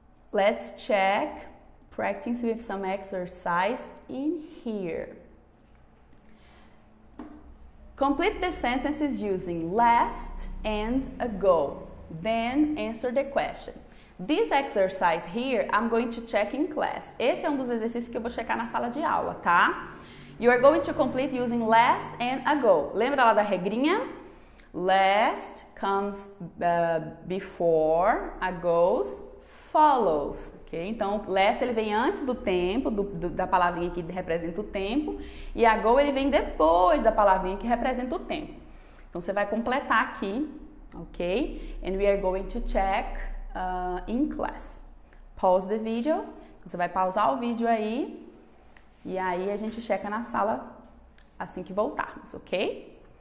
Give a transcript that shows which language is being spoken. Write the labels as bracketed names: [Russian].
[English] Let's check practice with some exercise in here. Complete the sentences using last and ago. Then answer the question. This exercise here, I'm going to check in class. [Portuguese] Esse é um dos exercícios que eu vou checar na sala de aula, tá? [English] You are going to complete using last and ago. [Portuguese] Lembra lá da regrinha? [English] Last comes before, ago follows. Okay? [Portuguese] Então, last ele vem antes do tempo, da palavrinha que representa o tempo. E ago ele vem depois da palavrinha que representa o tempo. Então, você vai completar aqui, ok? [English] And we are going to check in class. Pause the video. [Portuguese] Você vai pausar o vídeo aí. E aí a gente checa na sala assim que voltarmos, ok?